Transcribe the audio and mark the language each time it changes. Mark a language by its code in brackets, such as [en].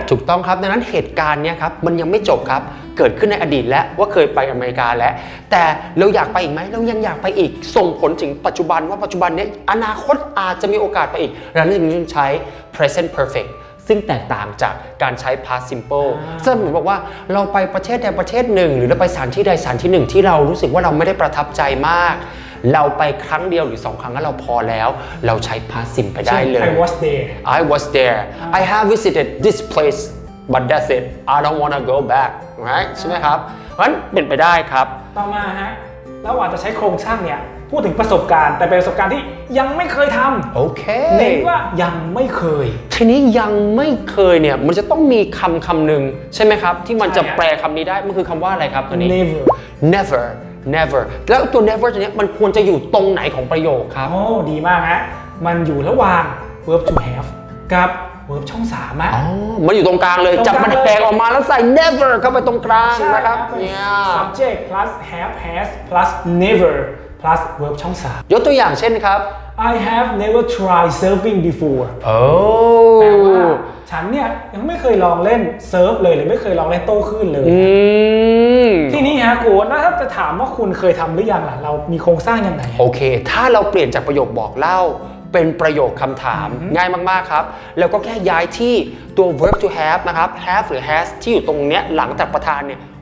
[th] ถูกต้องครับดังนั้นเหตุการณ์เนี้ยครับมันยังไม่จบครับเกิดขึ้นในอดีตแล้วว่าเคยไปอเมริกาแล้วแต่เราอยากไปอีกไหมเรายังอยากไปอีกส่งผลถึงปัจจุบันว่าปัจจุบันเนี้ยอนาคตอาจจะมีโอกาสไปอีกเราถึงใช้ present perfect ซึ่งแตกต่างจากการใช้ past simple ซึ่งเหมือนบอกว่าเราไปประเทศใดประเทศหนึ่งหรือเราไปสถานที่ใดสถานที่หนึ่งที่เรารู้สึกว่าเราไม่ได้ประทับใจมากเราไปครั้งเดียวหรือ2ครั้งแล้วเราพอแล้วเราใช้ past simple ไปได้เลย [en] I was there I have visited this place but that's it I don't want to go back right [th] ใช่ไหมครับงั้นเป็นไปได้ครับ ต่อมาฮะเราอาจจะใช้โครงสร้างเนี่ยพูดถึงประสบการณ์แต่เป็นประสบการณ์ที่ยังไม่เคยทำ โอเค เน้นว่ายังไม่เคย ทีนี้ยังไม่เคยเนี่ยมันจะต้องมีคำนึงใช่ไหมครับที่มันจะแปลคำนี้ได้มันคือคำว่าอะไรครับตัวนี้ [en] Never [th] แล้วตัว never ตัวนี้มันควรจะอยู่ตรงไหนของประโยคครับ โอ้ดีมากฮะมันอยู่ระหว่าง verb to have กับ verb ช่อง3อ่ะ อ๋อมันอยู่ตรงกลางเลยจับมันแปลออกมาแล้วใส่ never เข้าไปตรงกลางนะครับ เนี่ย subject plus have has plus never plus verb ช่อง3 ยกตัวอย่างเช่นครับ [en] I have never tried surfing before [th] โอ้ แปลว่าฉันเนี่ยยังไม่เคยลองเล่นเซิร์ฟเลยหรือไม่เคยลองเล่นโต้คลื่นเลยที่นี่ฮะกูถ้าจะถามว่าคุณเคยทำหรือยังล่ะเรามีโครงสร้างยังไง โอเคถ้าเราเปลี่ยนจากประโยคบอกเล่าเป็นประโยคคำถามง่ายมากๆครับแล้วก็แค่ย้ายที่ตัว verb to have นะครับ have หรือ has ที่อยู่ตรงเนี้ยหลังจากประธานเนี่ย